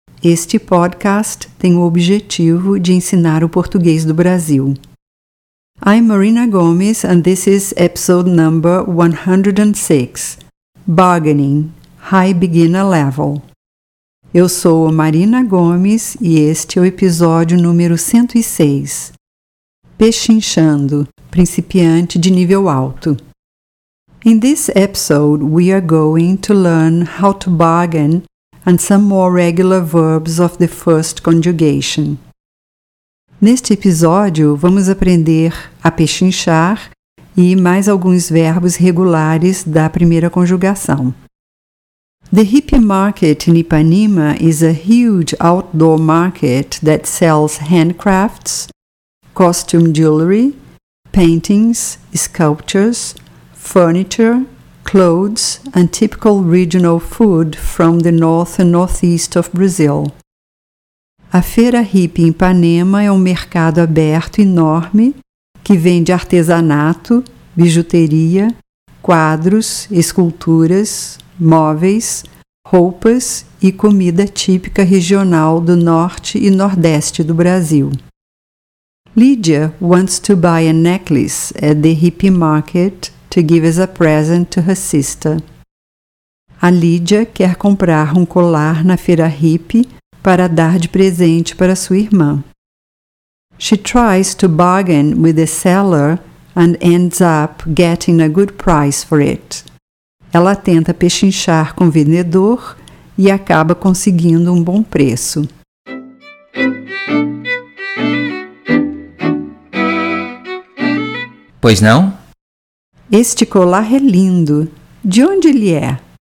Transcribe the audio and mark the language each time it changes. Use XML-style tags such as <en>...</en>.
<pt>Este podcast tem o objetivo de ensinar o português do Brasil.</pt> <en>I'm Marina Gomes and this is episode number 106. Bargaining, High Beginner Level.</en> <pt>Eu sou a Marina Gomes e este é o episódio número 106. Pechinchando, principiante de nível alto.</pt> <en>In this episode, we are going to learn how to bargain and some more regular verbs of the first conjugation.</en> <pt>Neste episódio, vamos aprender a pechinchar e mais alguns verbos regulares da primeira conjugação.</pt> <en>The hippie market in Ipanema is a huge outdoor market that sells handcrafts, costume jewelry, paintings, sculptures, furniture, clothes, and typical regional food from the north and northeast of Brazil.</en> <pt>A feira hippie em Ipanema é um mercado aberto enorme que vende artesanato, bijuteria, quadros, esculturas, móveis, roupas e comida típica regional do norte e nordeste do Brasil.</pt> <en>Lydia wants to buy a necklace at the hippie market to give as a present to her sister.</en> <pt>A Lydia quer comprar um colar na feira hippie para dar de presente para sua irmã.</pt> <en>She tries to bargain with the seller and ends up getting a good price for it.</en> <pt>Ela tenta pechinchar com o vendedor e acaba conseguindo um bom preço. Pois não? Este colar é lindo. De onde ele é?</pt>